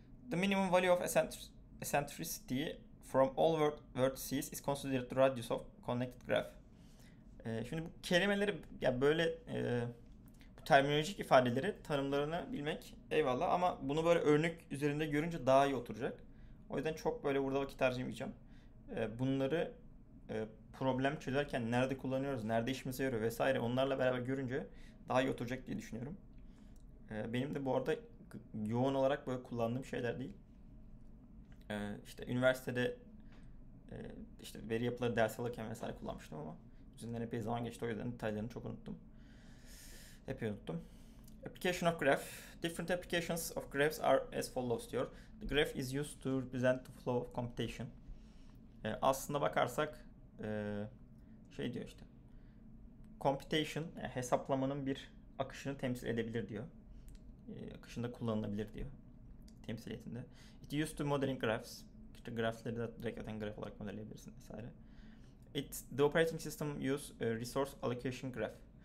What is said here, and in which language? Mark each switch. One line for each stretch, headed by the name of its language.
English: The minimum value of eccentricity from all vertices is considered the radius of connected graph.
Turkish: Şimdi bu kelimeleri ya böyle bu terminolojik ifadeleri tanımlarını bilmek eyvallah ama bunu böyle örnek üzerinde görünce daha iyi oturacak. O yüzden çok böyle burada vakit harcamayacağım. Bunları problem çözerken nerede kullanıyoruz, nerede işimize yarıyor vesaire onlarla beraber görünce daha iyi oturacak diye düşünüyorum. Benim de bu arada yoğun olarak böyle kullandığım şeyler değil. İşte üniversitede işte veri yapıları ders alırken vesaire kullanmıştım ama üzerinden epey zaman geçti o yüzden detaylarını çok unuttum. Epey unuttum.
English: Application of graph. Different applications of graphs are as follows
Turkish: diyor.
English: The graph is used to represent the flow of computation.
Turkish: Aslında bakarsak şey diyor işte. Computation yani hesaplamanın bir akışını temsil edebilir diyor. Akışında kullanılabilir diyor. Temsiliyetinde.
English: It used to modeling graphs.
Turkish: İşte grafleri de direkt zaten graf olarak modelleyebilirsin vesaire.
English: The operating system use resource allocation graph.